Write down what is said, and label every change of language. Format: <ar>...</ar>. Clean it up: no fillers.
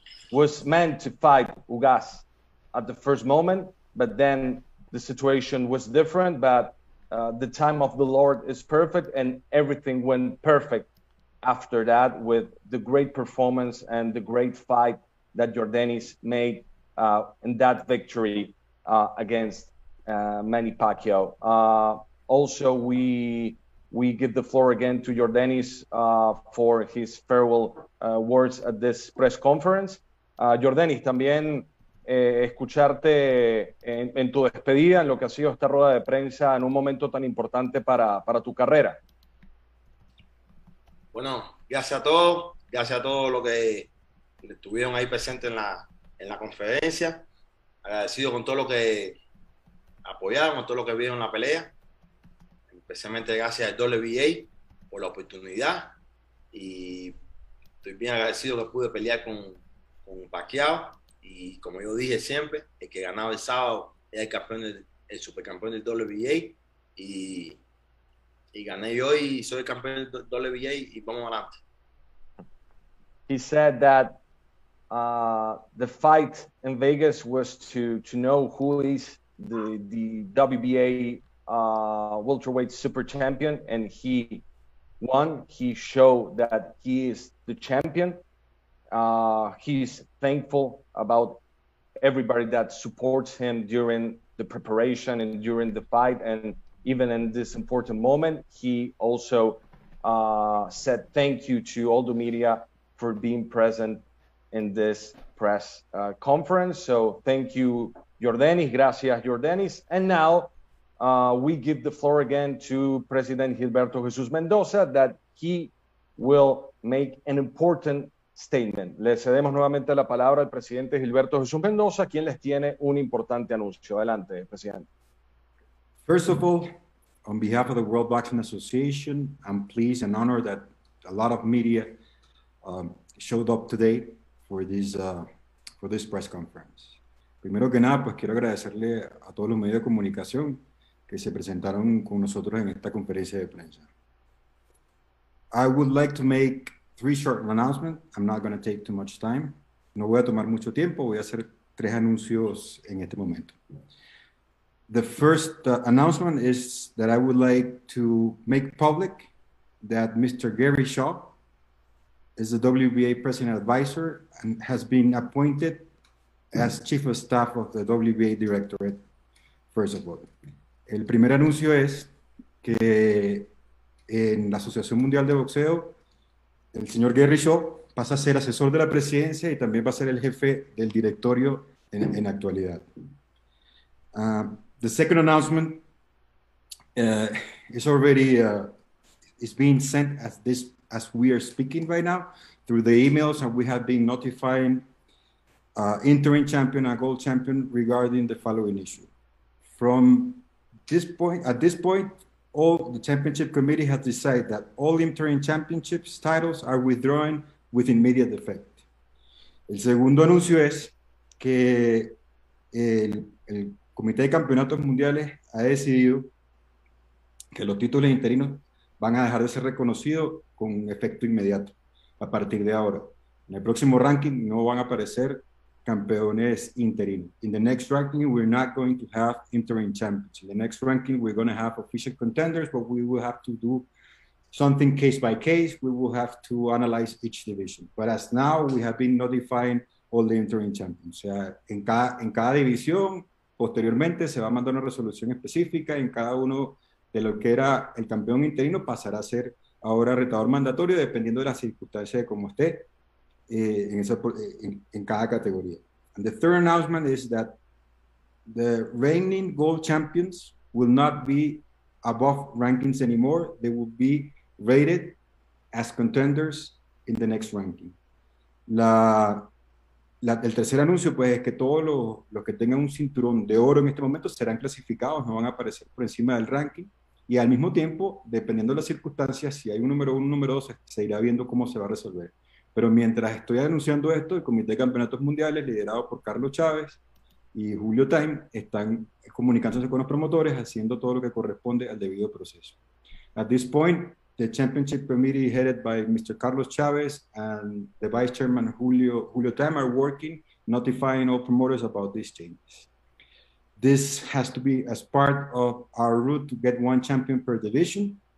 <en>was meant to fight Ugas at the first moment, but then the situation was different, but the time of the Lord is perfect, and everything went perfect after that with the great performance and the great fight that Yordenis made in that victory against Manny Pacquiao. Also, we give the floor again to Yordenis for his farewell words at this press conference.</en> <es>Yordenis, también escucharte en tu despedida, en lo que ha sido esta rueda de prensa en un momento tan importante para tu carrera. Bueno, gracias a todos los que estuvieron ahí presentes en la conferencia. Agradecido con todo lo que apoyaron, todo lo que vieron en la pelea, especialmente gracias al WBA por la oportunidad, y estoy bien agradecido que pude pelear con Pacquiao, y como yo dije siempre, el que ganaba el sábado era el campeón, el supercampeón del WBA, y gané yo y soy el campeón del WBA y vamos adelante.</es> <en>He said that the fight in Vegas was to know who is the WBA welterweight super champion, and he won. He showed that he is the champion. He's thankful about everybody that supports him during the preparation and during the fight, and even in this important moment, he also said thank you to all the media for being present in this press conference. So thank you, Yordenis,</en> <es>gracias,</es> <en>Yordenis. And now we give the floor again to President Gilberto Jesús Mendoza, that he will make an important statement.</en> <es>Le cedemos nuevamente la palabra al presidente Gilberto Jesús Mendoza, quien les tiene un importante anuncio. Adelante, presidente.</es> <en>First of all, on behalf of the World Boxing Association, I'm pleased and honored that a lot of media showed up today for this press conference.</en> <es>Primero que nada, pues quiero agradecerle a todos los medios de comunicación que se presentaron con nosotros en esta conferencia de prensa.</es> <en>I would like to make three short announcements. I'm not going to take too much time.</en> <es>No voy a tomar mucho tiempo. Voy a hacer tres anuncios en este momento.</es> <en>The first announcement is that I would like to make public that Mr. Gary Shaw is the WBA President Advisor and has been appointed as Chief of Staff of the WBA Directorate, first of all.</en> <es>El primer anuncio es que en la Asociación Mundial de Boxeo, el señor Gary Shaw pasa a ser asesor de la presidencia y también va a ser el jefe del directorio en actualidad.</es> <en>The second announcement is already is being sent as this as we are speaking right now through the emails, and we have been notifying interim champion and gold champion regarding the following issue. From this point, at this point, all the championship committee has decided that all interim championships titles are withdrawn with immediate effect.</en> <es>El segundo anuncio es que el Comité de Campeonatos Mundiales ha decidido que los títulos interinos van a dejar de ser reconocidos con efecto inmediato a partir de ahora. En el próximo ranking no van a aparecer campeones interinos.</es> <en>In the next ranking, we're not going to have interim champions. In the next ranking, we're going to have official contenders, but we will have to do something case by case. We will have to analyze each division. But as now, we have been notifying all the interim champions.</en> <es>O sea, en cada división, posteriormente se va a mandar una resolución específica en cada uno de lo que era el campeón interino pasará a ser ahora retador mandatorio dependiendo de las circunstancias de cómo esté en cada categoría.</es> <en>And the third announcement is that the reigning gold champions will not be above rankings anymore. They will be rated as contenders in the next ranking.</en> <es>El tercer anuncio pues es que todos los que tengan un cinturón de oro en este momento serán clasificados, no van a aparecer por encima del ranking y al mismo tiempo, dependiendo de las circunstancias, si hay un número uno, un número dos, se irá viendo cómo se va a resolver. Pero mientras estoy anunciando esto, el Comité de Campeonatos Mundiales, liderado por Carlos Chávez y Julio Time, están comunicándose con los promotores, haciendo todo lo que corresponde al debido proceso.</es> <en>At this point, the championship committee headed by Mr. Carlos Chávez and the vice chairman Julio Tam are working, notifying all promoters about these changes. This has to be as part of our route to get one champion per division.</en>